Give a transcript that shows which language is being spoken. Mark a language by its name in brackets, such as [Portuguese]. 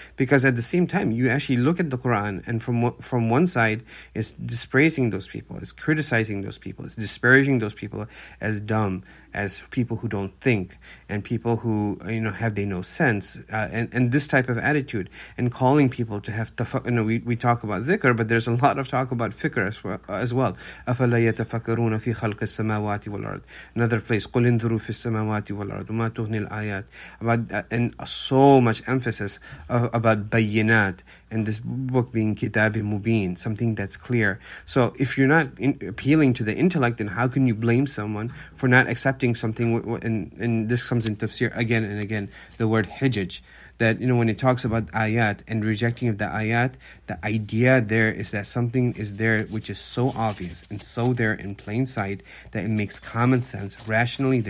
[English] Because at the same time, you actually look at the Quran, and from one side, it's dispraising those people, it's criticizing those people, it's disparaging those people as dumb, as people who don't think, and people who, have they no sense, and this type of attitude, and calling people to have tafakkur. We talk about dhikr, but there's a lot of talk about fikr as well. [Arabic] أَفَلَا يَتَفَكَّرُونَ فِي خَلْقِ السَّمَاوَاتِ وَالْأَرْضِ. [English] Another place, [Arabic] قُلْ انْظُرُوا فِي السَّمَاوَاتِ وَالْأَرْضِ مَا تُغْنِي الْآيَاتُ. [English] And so much emphasis about bayyinat, and this book being kitabi mubin, something that's clear. So if you're not appealing to the intellect, then how can you blame someone for not accepting something? And this comes in tafsir again and again, the word hijaj, that when it talks about ayat and rejecting of the ayat, the idea there is that something is there which is so obvious and so there in plain sight that it makes common sense rationally.